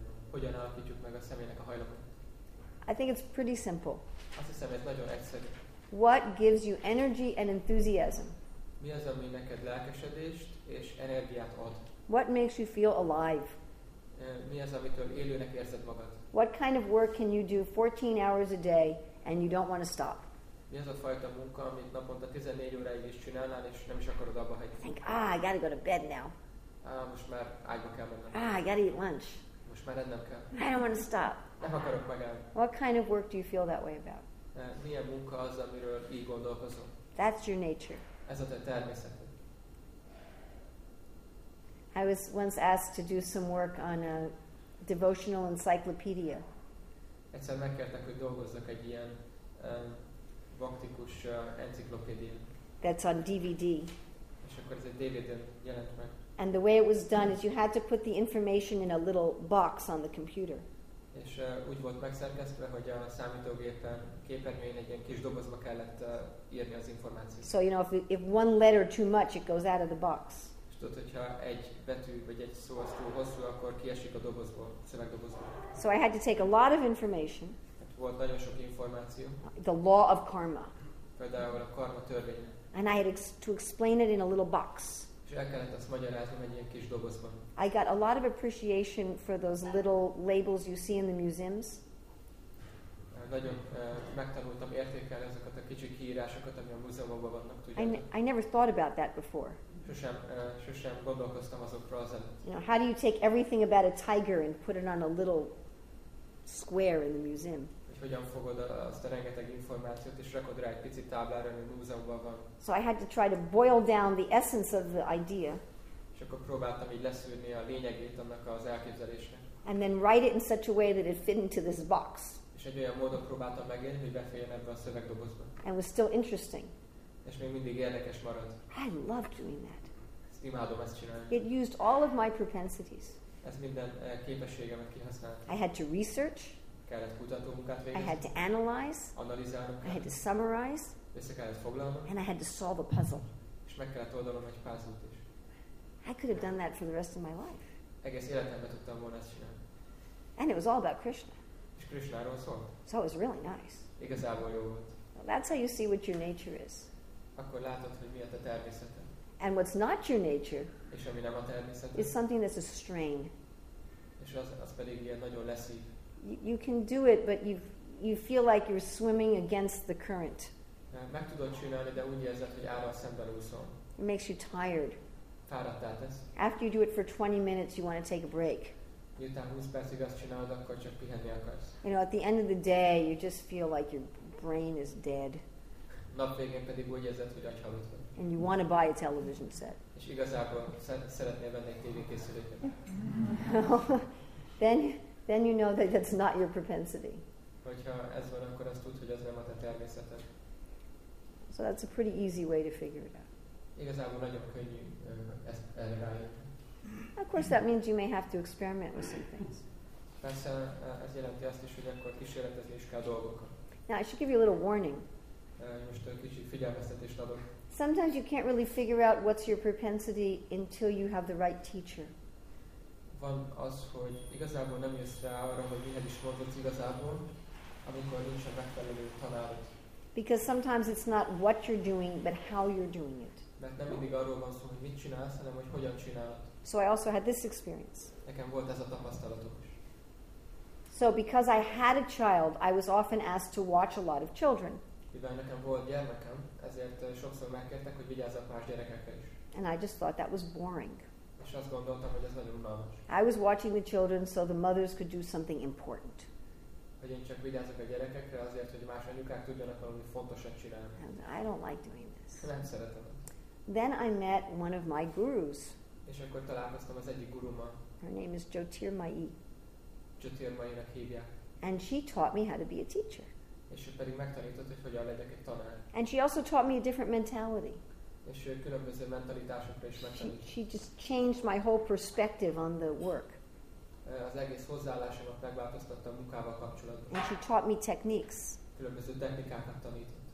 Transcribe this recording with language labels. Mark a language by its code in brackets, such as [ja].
[hu] Hogyan alakítjuk meg a személynek a hajlamot? [en] I think it's pretty simple. [hu] Azt hiszem, ez nagyon egyszerű. [en] What gives you energy and enthusiasm? [hu] Mi az, ami neked lelkesedést és energiát ad? [en] What makes you feel alive? [hu] Mi az, amitől élőnek érzed magad? [en] What kind of work can you do 14 hours a day? And you don't want to stop. [hu] Mi az a fajta munka, amit naponta 14 óráig is csinálnál, és nem is akarod abba hagyni? [en] Think, ah, I gotta go to bed now. [hu] Ah, most már ágyba kell mennem. [en] Ah, I gotta eat lunch. [hu] Most már ennem kell. [en] I don't want to stop. [hu] Nem akarok megállni. [en] What kind of work do you feel that way about? [hu] Milyen munka az, amiről így gondolkozom? [en] That's your nature. [hu] Ez a te természeted. [en] I was once asked to do some work on a devotional encyclopedia. [hu] Egyszer megkértek, hogy dolgozzak egy ilyen vaktikus enciklopédián. [en] That's on DVD. [hu] És akkor ez egy DVD-n jelent meg. [en] And the way it was done is you had to put the information in a little box on the computer. [hu] És úgy volt megszerkesztve, hogy a számítógépen képernyőjén egy ilyen kis dobozba kellett írni az információt. [en] So you know, if one letter too much, it goes out of the box. [hu] Tudod, hogyha egy betű vagy egy szó az túl hosszú, akkor kiesik a dobozból, szövegdobozból. [en] So I had to take a lot of information. [hu] Volt nagyon sok információ. [en] The law of karma. [hu] Például a karma törvénye. [en] And I had to explain it in a little box. [hu] És el kellett azt magyarázni egy ilyen kis dobozban. [en] I got a lot of appreciation for those little labels you see in the museums. [hu] Nagyon megtanultam értékelni azokat a kicsi kiírásokat, ami a múzeumokban vannak, tudjátok. [en] I never thought about that before. [hu] Sosem gondolkoztam azokról az előtt. [en] You know, how do you take everything about a tiger and put it on a little square in the museum? [hu] Hogy hogyan fogod azt a rengeteg információt és rakod rá egy pici táblára, ami a múzeumban van. [en] So I had to try to boil down the essence of the idea. [hu] És akkor próbáltam így leszűrni a lényegét annak az elképzelésnek. [en] And then write it in such a way that it fit into this box. [hu] És egy olyan módon próbáltam megérni, hogy beférjen ebbe a szövegdobozba. [en] And it was still interesting. [hu] És még mindig érdekes maradt. [en] I love doing that. [hu] Ezt imádom ezt csinálni. [en] It used all of my propensities. [hu] Ez minden képességemet kihasznált. [en] I had to research. [hu] Kellett kutató munkát végezni. [en] I had to analyze. [hu] Analizálnom kellett. [en] I had to summarize. [hu] Össze kellett foglalnom. [en] And I had to solve a puzzle. [hu] És meg kellett oldanom egy puzzle-t is. [en] I could have done that for the rest of my life. [hu] Egész életemben tudtam volna ezt csinálni. [en] And it was all about Krishna. [hu] És Krishnáról szólt. [en] So it was really nice. [hu] Igazából jó volt. [en] Well, that's how you see what your nature is. [hu] Akkor látod, hogy mi a te természeted. [en] And what's not your nature, [hu] és ami nem a természeted, [en] is something that's a strain. [hu] És az pedig ilyen nagyon leszív. [en] You can do it, but you feel like you're swimming against the current. [hu] Meg tudod csinálni, de úgy érzed, hogy állal szemben úszol. [en] It makes you tired. [hu] Fáradtá tesz. [en] After you do it for 20 minutes, you want to take a break. [hu] Miután 20 percig azt csinálod, akkor csak pihenni akarsz. [en] You know, at the end of the day, you just feel like your brain is dead. [hu] Nap végén pedig úgy érzed, hogy agyhalott vagy. [en] And you want to buy a television set. [hu] És igazából szeretnél venni egy tévékészüléket. [en] Then you know that that's not your propensity. [hu] Hogyha ez van, akkor azt tudd, hogy az nem a te természeted. [en] So that's a pretty easy way to figure it out. [hu] Igazából nagyon könnyű ezt erre rájönni. [en] Of course, that means you may have to experiment with some things. [hu] Persze, ez jelenti azt is, hogy akkor kísérletezni is kell dolgokat. [en] Now, I should give you a little warning. [hu] Most egy kicsit figyelmeztetést adok. [en] Sometimes you can't really figure out what's your propensity until you have the right teacher. [hu] Van az, hogy igazából nem jössz rá arra, hogy mihez is mondod igazából, amikor nincs a megfelelő tanárod. [en] Because sometimes it's not what you're doing, but how you're doing it. [hu] Mert nem mindig arról van szó, hogy mit csinálsz, hanem hogy hogyan csinálod. [en] So I also had this experience. [hu] Nekem volt ez a tapasztalatom is. [en] So because I had a child, I was often asked to watch a lot of children. [hu] Mivel nekem volt gyermekem, ezért sokszor megkértek, hogy vigyázzak más gyerekekkel is. [en] And I just thought that was boring. [hu] És azt gondoltam, hogy ez nagyon unalmas. [en] I was watching the children so the mothers could do something important. [hu] Hogy én csak vigyázzak a gyerekekre azért, hogy más anyukák tudjanak valami fontosat csinálni. [en] And I don't like doing this. [hu] Nem szeretem. [en] Then I met one of my gurus. [hu] És akkor találkoztam az egyik gurummal. [en] Her name is Jyotirmayi. [hu] Jyotirmayinak hívják. [en] And she taught me how to be a teacher. [hu] És ő pedig megtanított, hogy hogyan legyek egy tanár. [en] And she also taught me a different mentality. [hu] És ő különböző mentalitásokra is megtanított. [en] She just changed my whole perspective on the work. [hu] Az egész hozzáállásomat megváltoztatta a munkával kapcsolatban. [en] And she taught me techniques. [hu] Különböző technikákat tanított.